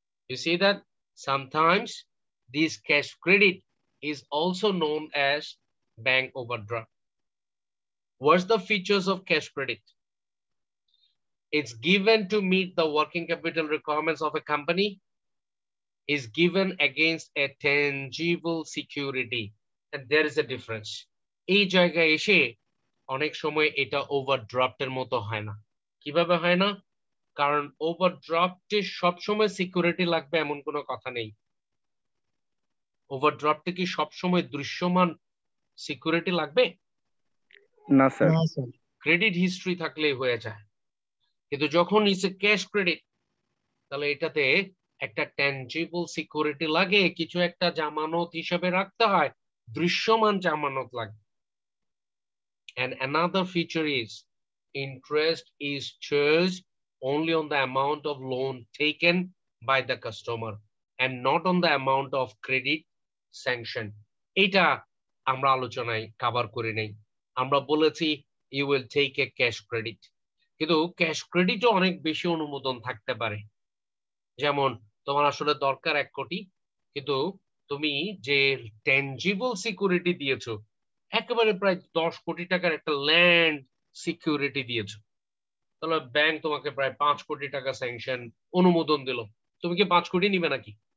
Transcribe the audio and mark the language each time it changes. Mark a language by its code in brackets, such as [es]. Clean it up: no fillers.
[en] You see that sometimes this cash credit is also known as bank overdraft. What's the features of cash credit? It's given to meet the working capital requirements of a company. Is given against a tangible security, and there is a difference. [bn] এই জায়গায় এসে অনেক সময় এটা ওভারড্রাফটের মতো হয় না। কিভাবে হয় না? কারণ ওভারড্রাফটে সব সময় সিকিউরিটি লাগবে এমন কোনো কথা নেই। ওভারড্রাফটে কি সব সময় দৃশ্যমান সিকিউরিটি লাগবে? না স্যার। ক্রেডিট হিস্ট্রি থাকলেই হয়ে যায়, কিন্তু যখন ইজ এ ক্যাশ ক্রেডিট তাহলে এটাতে একটা ট্যাঞ্জিবল সিকিউরিটি লাগে, কিছু একটা জামানত হিসেবে রাখতে হয়, দৃশ্যমান জামানত লাগে। [en] And another feature is interest is charged only on the amount of loan taken by the customer and not on the amount of credit sanction. [bn] এটা আমরা আলোচনায় কভার করি নাই। আমরা বলেছি [en] you will take a cash credit, [bn] কিন্তু cash ক্রেডিটও অনেক বেশি অনুমোদন থাকতে পারে। যেমন তোমার আসলে দরকার 1 কোটি, কিন্তু তুমি যে ট্যাঞ্জিবল সিকিউরিটি দিয়েছ একেবারে প্রায় 10 কোটি টাকার একটা ল্যান্ড সিকিউরিটি দিয়েছ, তাহলে ব্যাংক তোমাকে প্রায় 5 কোটি টাকা স্যাংশন অনুমোদন দিল, তুমি কি 5 কোটি নিবে নাকি?